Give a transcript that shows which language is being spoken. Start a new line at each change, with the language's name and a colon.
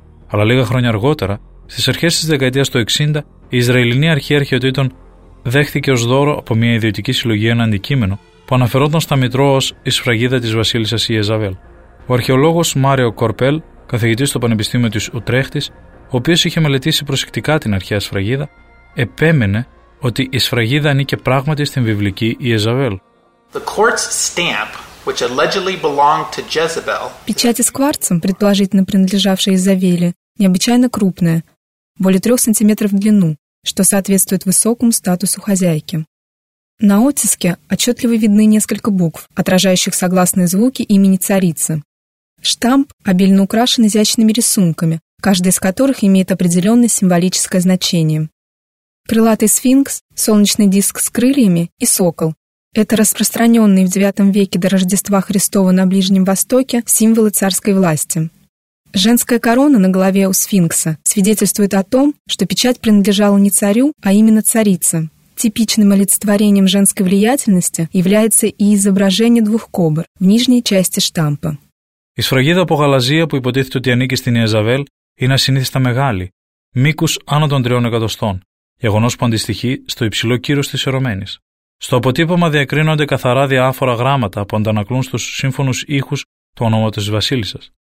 Greek: Αλλά λίγα χρόνια αργότερα, στις αρχές της δεκαετίας του 60, η Ισραηλινή Αρχή Αρχαιοτήτων δέχθηκε ως δώρο από μια ιδιωτική συλλογή ένα αντικείμενο που αναφερόταν στα Μητρώα ως η σφραγίδα της βασίλισσας Ιεζαβέλ. Ο αρχαιολόγος Μάριο Κορπέλ, καθηγητής στο Πανεπιστήμιο της Ουτρέχτης, ο οποίος είχε μελετήσει προσεκτικά την αρχαία σφραγίδα, επέμενε ότι η σφραγίδα ανήκε πράγματι στην βιβλική Ιεζαβέλ.
English: The quartz stamp, which allegedly belonged to Jezebel,
Russian: печать с кварцем, предположительно принадлежавшая Изавеле, необычайно крупная, более 3 сантиметра в длину, что соответствует высокому статусу хозяйки. На оттиске отчетливо видны несколько букв, отражающих согласные звуки имени царицы. Штамп обильно украшен изящными рисунками, каждый из которых имеет определенное символическое значение. Крылатый сфинкс, солнечный диск с крыльями и сокол – это распространенные в IX веке до Рождества Христова на Ближнем Востоке символы царской власти. Женская корона на голове у сфинкса свидетельствует о том, что печать принадлежала не царю, а именно царице. Типичным олицетворением женской влиятельности является и изображение двух кобр в нижней части штампа.
Greek: Η σφραγίδα από γαλαζία που υποτίθεται ότι ανήκει στην Ιεζαβέλ είναι ασυνήθιστα μεγάλη, μήκους άνω των 3 εκατοστών, γεγονός που αντιστοιχεί στο υψηλό κύρος της ερωμένης. Στο αποτύπωμα διακρίνονται καθαρά διάφορα γράμματα που αντανακλούν στους σύμφωνους ήχους του ονόματος της Βασίλισσας.